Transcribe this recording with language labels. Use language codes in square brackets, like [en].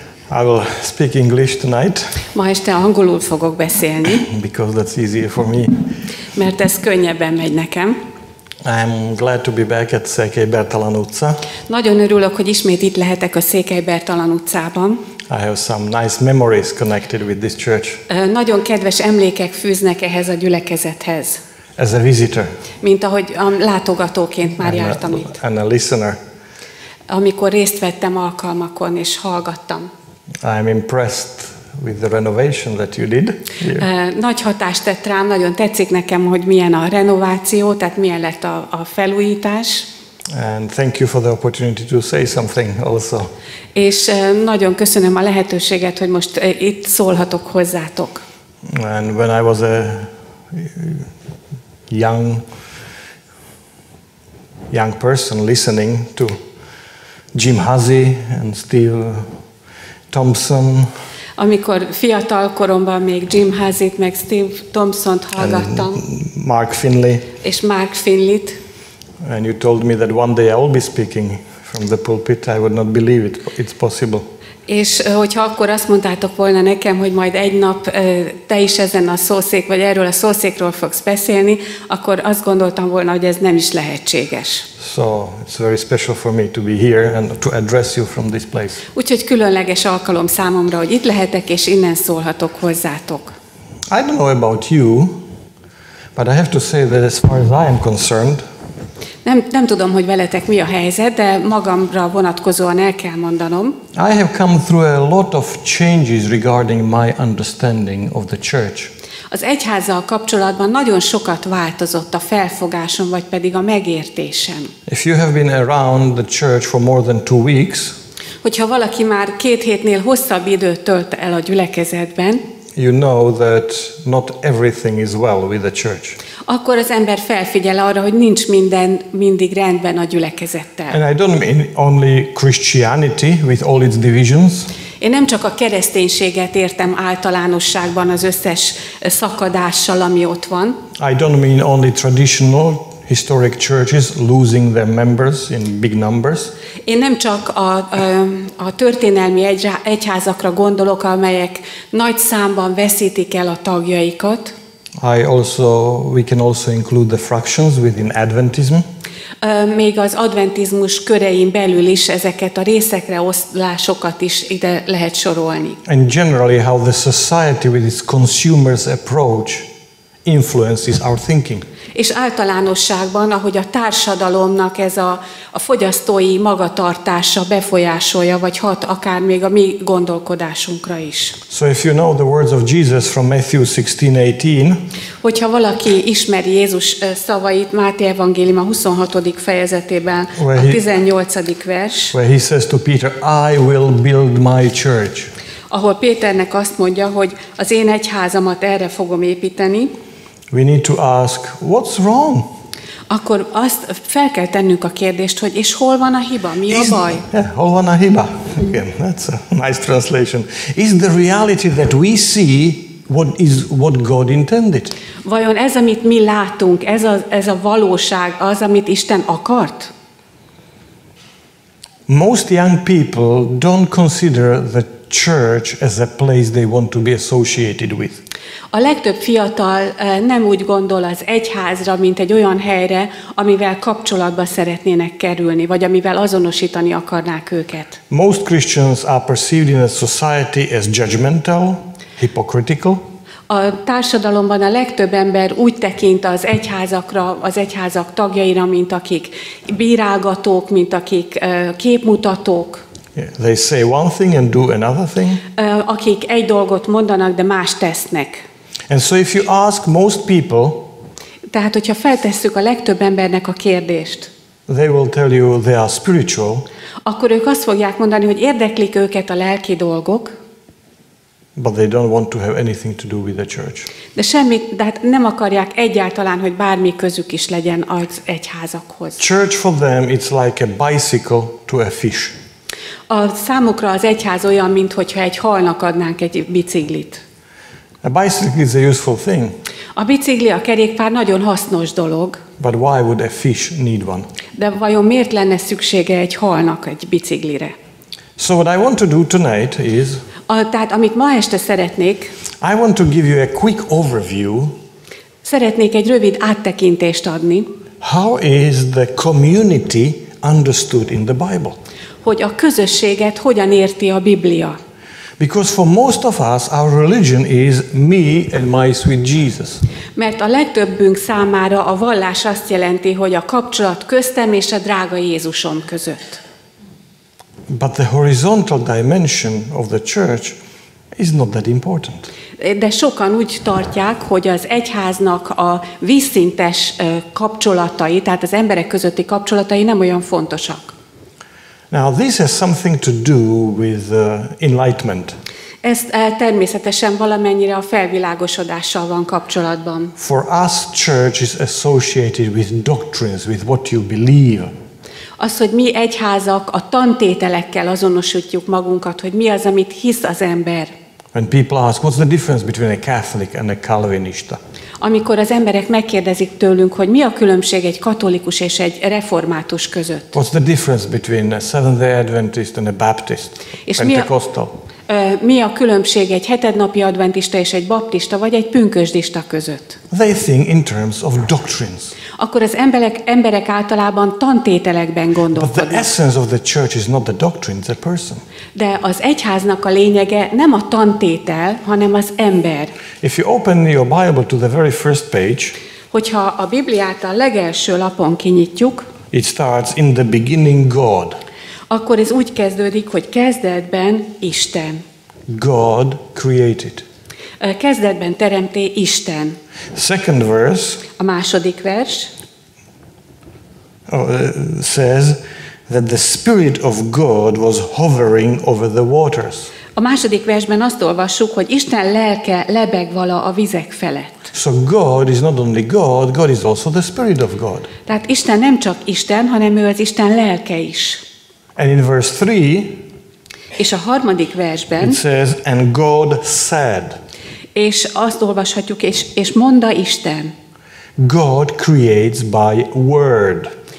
[en] I will speak English tonight. [hu] Ma este angolul fogok beszélni. [en] Because that's easier for me. [hu] Mert ez könnyebben megy nekem. [en] I'm glad to be back at Székely Bertalan utca. [hu] Nagyon örülök, hogy ismét itt lehetek a Székely Bertalan utcában. [en] I have some nice memories connected with this church. [hu] Nagyon kedves emlékek fűznek ehhez a gyülekezethez. [en] As a visitor. [hu] Mint ahogy látogatóként már jártam itt. [en] And a listener. [hu] Amikor részt vettem alkalmakon és hallgattam. [en] I'm impressed with the renovation that you did. [hu] Nagy hatást tett rám, nagyon tetszik nekem, hogy milyen a renováció, tehát milyen lett a felújítás. [en] And thank you for the opportunity to say something also. [hu] És nagyon köszönöm a lehetőséget, hogy most itt szólhatok hozzátok. [en] And when I was a young person listening to Jim Hussey and Steve Thompson. [hu] Amikor fiatal koromban még Jim Hazit meg Steve Thompsont hallgattam. [en] Mark Finley. [hu] És Mark Finley-t. [en] And you told me that one day I will be speaking from the pulpit. I would not believe it. It's possible. [hu] És hogyha akkor azt mondtátok volna nekem, hogy majd egy nap te is ezen a szószék, vagy erről a szószékről fogsz beszélni, akkor azt gondoltam volna, hogy ez nem is lehetséges. [en] So, it's very special for me to be here and to address you from this place. [hu] Úgyhogy különleges alkalom számomra, hogy itt lehetek és innen szólhatok hozzátok. [en] I don't know about you, but I have to say that as far as I am concerned, [hu] Nem tudom, hogy veletek mi a helyzet, de magamra vonatkozóan el kell mondanom. [en] I have come through a lot of changes regarding my understanding of the church. [hu] Az egyházzal kapcsolatban nagyon sokat változott a felfogásom, vagy pedig a megértésem. [en] If you have been around the church for more than 2 weeks, [hu] hogyha valaki már 2 hétnél hosszabb időt tölt el a gyülekezetben, [en] you know that not everything is well with the church. [hu] Akkor az ember felfigyel arra, hogy nincs minden mindig rendben a gyülekezettel. [en] And I don't mean only Christianity with all its divisions. [hu] Én nem csak a kereszténységet értem általánosságban az összes szakadással, ami ott van. [en] I don't mean only traditional historic churches losing their members in big numbers. [hu] Én nem csak a történelmi egyházakra gondolok, amelyek nagy számban veszítik el a tagjaikat. [en] We can also include the fractions within Adventism. [hu] Még az adventizmus körein belül is ezeket a részekre osztásokat is ide lehet sorolni. [en] And generally how the society with its consumers approach influences our thinking. [hu] És általánosságban, ahogy a társadalomnak ez a fogyasztói magatartása befolyásolja, vagy hat akár még a mi gondolkodásunkra is. [en] So if you know the words of Jesus from Matthew 16:18, [hu] hogyha valaki ismeri Jézus szavait Máté evangélium a 26. fejezetében, a 18. vers, [en] where he says to Peter, I will build my church. [hu] Ahol Péternek azt mondja, hogy az én egyházamat erre fogom építeni, [en] we need to ask, what's wrong? [hu] Akkor azt fel kell tennünk a kérdést, hogy és hol van a hiba, mi a baj? Hol van a hiba? [en] Again, that's a nice translation. Is the reality that we see what God intended? [hu] Vajon ez, amit mi látunk, ez a valóság, az, amit Isten akart? [en] Most young people don't consider the church as a place they want to be associated with. [hu] A legtöbb fiatal nem úgy gondol az egyházra, mint egy olyan helyre, amivel kapcsolatba szeretnének kerülni, vagy amivel azonosítani akarnák őket. [en] Most Christians are perceived in a society as judgmental, hypocritical. [hu] A társadalomban a legtöbb ember úgy tekint az egyházakra, az egyházak tagjaira, mint akik bírálgatók, mint akik képmutatók. [en] They say one thing and do another thing. [hu] Akik egy dolgot mondanak, de más tesznek. [en] And so if you ask most people, [hu] tehát hogyha feltesszük a legtöbb embernek a kérdést, [en] they will tell you they are spiritual. [hu] Akkor ők azt fogják mondani, hogy érdeklik őket a lelki dolgok. [en] But they don't want to have anything to do with the church. [hu] De semmit, de hát nem akarják egyáltalán, hogy bármi közük is legyen az egyházakhoz. [en] Church for them it's like a bicycle to a fish. [hu] A számukra az egyház olyan, mint hogyha egy halnak adnánk egy biciklit. [en] A bicycle is a useful thing. [hu] A bicikli, a kerékpár nagyon hasznos dolog. [en] But why would a fish need one? [hu] De vajon miért lenne szüksége egy halnak egy biciklire? [en] So what I want to do tonight is, [hu] tehát amit ma este szeretnék, [en] I want to give you a quick overview. [hu] Szeretnék egy rövid áttekintést adni. [en] How is the community understood in the Bible? [hu] Hogy a közösséget hogyan érti a Biblia? [en] Because for most of us our religion is me and my sweet Jesus. [hu] Mert a legtöbbünk számára a vallás azt jelenti, hogy a kapcsolat köztem és a drága Jézusom között. [en] But the horizontal dimension of the church is not that important. [hu] De sokan úgy tartják, hogy az egyháznak a vízszintes kapcsolatai, tehát az emberek közötti kapcsolatai nem olyan fontosak. [en] Now this has something to do with enlightenment. [hu] Ez természetesen valamennyire a felvilágosodással van kapcsolatban. [en] For us church is associated with doctrines, with what you believe. [hu] Az, hogy mi egyházak a tantételekkel azonosítjuk magunkat, hogy mi az, amit hisz az ember. [en] When people ask, what's the difference between a Catholic and a Calvinista? [hu] Amikor az emberek megkérdezik tőlünk, hogy mi a különbség egy katolikus és egy református között? [en] What's the difference between a Seventh-day Adventist and a Baptist? [hu] És mi a különbség egy hetednapi adventista és egy baptista vagy egy pünkösdista között? [en] They think in terms of doctrines. [hu] Akkor az emberek általában tantételekben gondolkodnak. [en] But the essence of the church is not the doctrine, it's a person. [hu] De az egyháznak a lényege nem a tantétel, hanem az ember. [en] If you open your Bible to the very first page, [hu] hogyha a Bibliát a legelső lapon kinyitjuk, [en] it starts in the beginning God. [hu] Akkor ez úgy kezdődik, hogy kezdetben Isten. [en] God created. [hu] Kezdetben teremté Isten. [en] Second verse. [hu] A második vers. [en] Says that the Spirit of God was hovering over the waters. [hu] A második versben azt olvassuk, hogy Isten lelke lebeg vala a vizek felett. [en] So God is not only God, God is also the Spirit of God. [hu] Tehát Isten nem csak Isten, hanem ő az Isten lelke is. [en] And in verse 3, [hu] és a harmadik versben, [en] it says, and God said, [hu] és azt olvashatjuk, és mondta Isten, [en] God creates by word.